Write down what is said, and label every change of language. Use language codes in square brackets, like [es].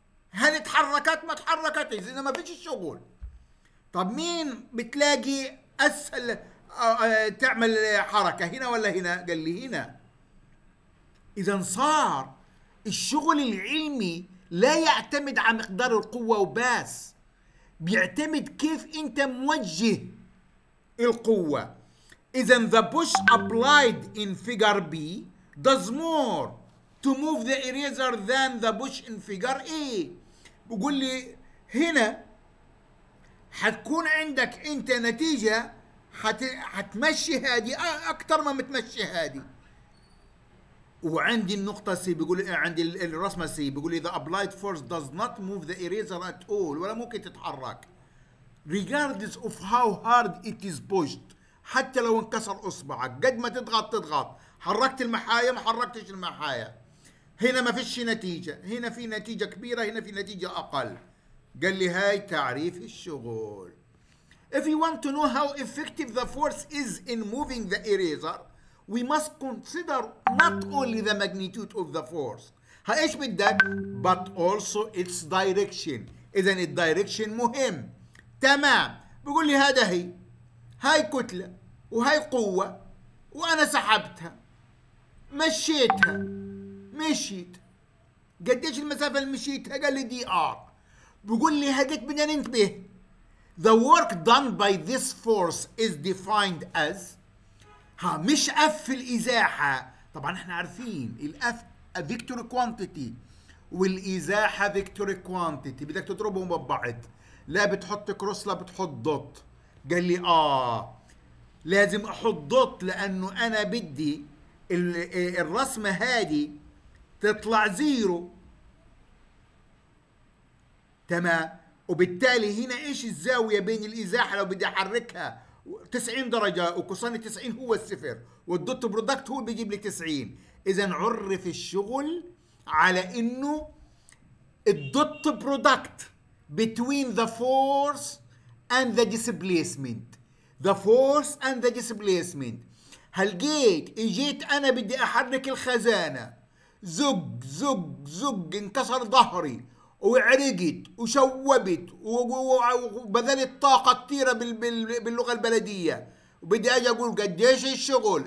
[ar] هل اتحركت ما تحركت اذا ما فيش الشغل. طب مين بتلاقي اسهل تعمل حركه هنا ولا هنا؟ قال لي هنا. اذا صار الشغل العلمي لا يعتمد على مقدار القوه وبس بيعتمد كيف انت موجه القوه. [en] اذا the push applied in figure B does more to move the eraser than the push in figure A. [ar] بقول لي هنا حتكون عندك انت نتيجة حتمشي هادي اكتر ما متمشي هادي. [en] وعندي النقطة سي بقول عندي الرسمة سي بقول لي the applied force does not move the eraser at all ولا ممكن تتحرك regardless of how hard it is pushed. [ar] حتى لو انكسر اصبعك قد ما تضغط تضغط حركت المحايا ما حركتش المحايا. هنا ما فيش نتيجة هنا في نتيجة كبيرة هنا في نتيجة أقل. قال لي هاي تعريف الشغل. [en] If you want to know how effective the force is in moving the eraser we must consider not only the magnitude of the force. ها إيش بدك؟ But also its direction. [ar] إذن الدايركشن مهم. تمام بيقول لي هذا هي هاي كتلة وهاي قوة وأنا سحبتها مشيتها مشيت قديش المسافه اللي مشيتها؟ قال لي دي ار. [en] بقول لي هاديك بدنا ننتبه the work done by this force is defined as. [ar] ها مش اف الازاحه طبعا احنا عارفين الاف فيكتور كوانتيتي والازاحه فيكتور كوانتيتي بدك تضربهم ببعض لا بتحط كروس لا بتحط دوت. قال لي اه لازم احط دوت لانه انا بدي الرسمه هذه تطلع زيرو. تمام وبالتالي هنا ايش الزاوية بين الازاحة لو بدي احركها 90 درجة وكوسان 90 هو الصفر والدوت برودكت هو بيجيب لي 90. [en] اذا عرف الشغل على انه الدوت product between the force and the displacement the force and the displacement. [ar] هل جيت اجيت انا بدي احرك الخزانة زق زق زق انكسر ظهري وعرقت وشوبت وبذلت طاقة كثيرة باللغة البلدية وبدي اجي اقول قديش الشغل.